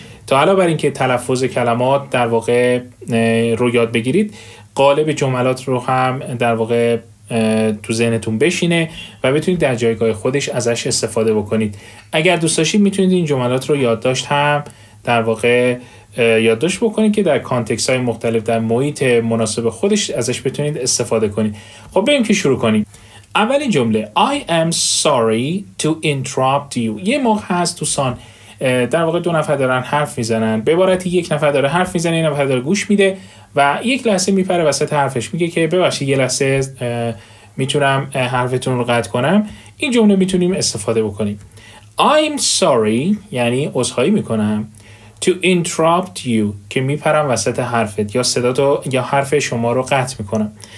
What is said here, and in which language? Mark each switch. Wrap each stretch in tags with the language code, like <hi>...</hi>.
<fa>تا علاوه بر اینکه تلفظ کلمات در واقع رو یاد بگیرید، قالب جملات رو هم در واقع تو ذهنتون بشینه و بتونید در جایگاه خودش ازش استفاده بکنید. اگر دوست داشتید میتونید این جملات رو یادداشت هم در واقع یادداشت بکنید که در کانتکس های مختلف در محیط مناسب خودش ازش بتونید استفاده کنید. خب بریم که شروع کنیم. اولین جمله</fa> <en>I am sorry to interrupt you.</en> <fa>یه موقع هست دوستان، در واقع دو نفر دارن حرف میزنن، به عبارتی یک نفر داره حرف میزنه، یک نفر داره گوش میده و یک لحظه میپره وسط حرفش، میگه که ببخشید یک لحظه میتونم حرفتون رو قطع کنم. این جمله میتونیم استفاده بکنیم.</fa> <en>I'm sorry</en> <fa>یعنی عذرخواهی میکنم</fa> <en>to interrupt you</en> <fa>که میپرم وسط حرفت یا صدات یا حرف شما رو قطع میکنم.</fa>